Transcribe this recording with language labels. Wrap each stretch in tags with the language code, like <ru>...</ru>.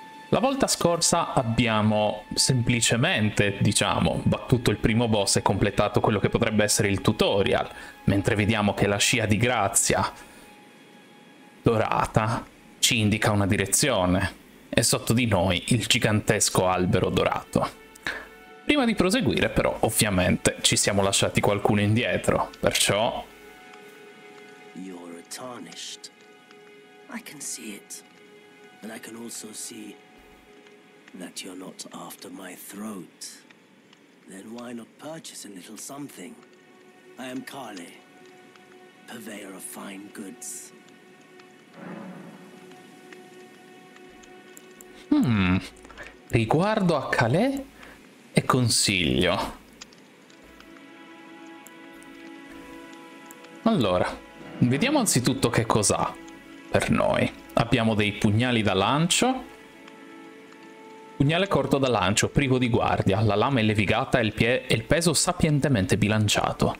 <it>La volta scorsa abbiamo semplicemente, diciamo, battuto il primo boss e completato quello che potrebbe essere il tutorial, mentre vediamo che la scia di grazia dorata ci indica una direzione e sotto di noi il gigantesco albero dorato. Prima di proseguire però ovviamente ci siamo lasciati qualcuno indietro, perciò...</it> <en>You're tarnished. I can see it. And I can also see that you're not after my throat. Then why not purchase a little something? I am Carle, purveyor of fine goods.</en> <it>Riguardo a Calè e consiglio. Allora, vediamo anzitutto che cos'ha per noi. Abbiamo dei pugnali da lancio. Pugnale corto da lancio, privo di guardia, la lama è levigata e il peso sapientemente bilanciato.</it>